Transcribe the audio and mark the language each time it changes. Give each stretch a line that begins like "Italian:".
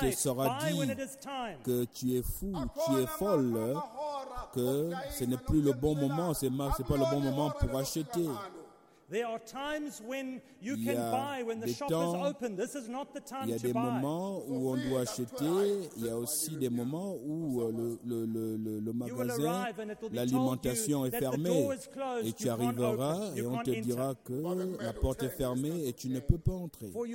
French: Il te sera dit que tu es fou, tu es folle, que ce n'est plus le bon moment, ce n'est pas le bon moment pour acheter.
English: There are times when you can buy when the
French: temps,
English: shop is open. This is not the time to buy.
French: Il y a des moments où on doit acheter. Il y a aussi des moments où le magasin, l'alimentation est fermée. Et tu arriveras et on te dira que la porte est fermée et tu ne peux pas entrer.